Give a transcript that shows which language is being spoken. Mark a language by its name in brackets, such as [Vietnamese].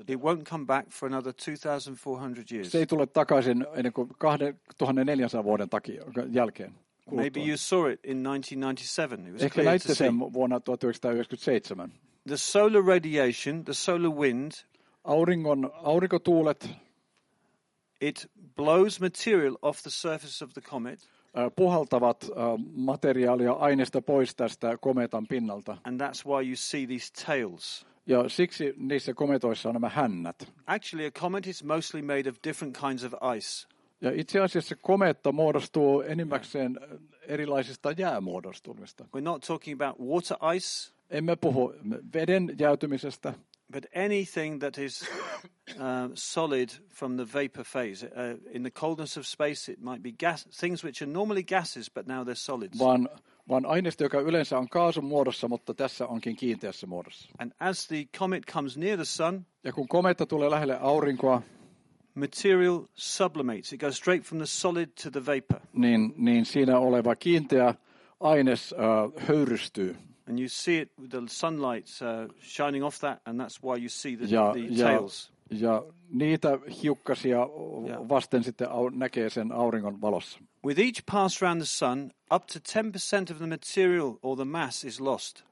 [English] it? It won't come back for another 2,400 years. [Finnish] Se ei tule takaisin ennen kuin 2400 vuoden takia jälkeen. Kuluttua. [English] Maybe you saw it in 1997. [Finnish] Ehkä näitte sen vuonna 1997. [English] The solar radiation, the solar wind. [Finnish] Aurinkotuulet. [English] It blows material off the surface of the comet. [Finnish] Puhaltavat materiaalia aineesta pois tästä kometan pinnalta. [English] And that's why you see these tails. [Finnish] Ja siksi niissä kometoissa on nämä hännät. [English] Actually, a comet is mostly made of different kinds of ice. [Finnish] Ja itse asiassa kometta muodostuu enimmäkseen erilaisista jäämuodostumista. [English] We're not talking about water ice. [Finnish] Emme puhu veden jäätymisestä. [English] But anything that is solid from the vapor phase in the coldness of space it might be gas things which are normally gases but now they're solids. [Finnish] Vaan aineisto, joka yleensä on kaasun muodossa, mutta tässä onkin kiinteässä muodossa. [English] And as the comet comes near the sun, [Finnish] ja kun kometta tulee lähelle aurinkoa, [English] material sublimates. It goes straight from the solid to the vapor. [Finnish] Niin siinä oleva kiinteä aines höyrystyy. [English] And you see it with the sunlight shining off that and that's why you see the tails. [Finnish] Ja niitä hiukkasia vasten sitten näkee sen auringon valossa. [English] With each pass around the sun, up to 10% of the material or the mass is lost.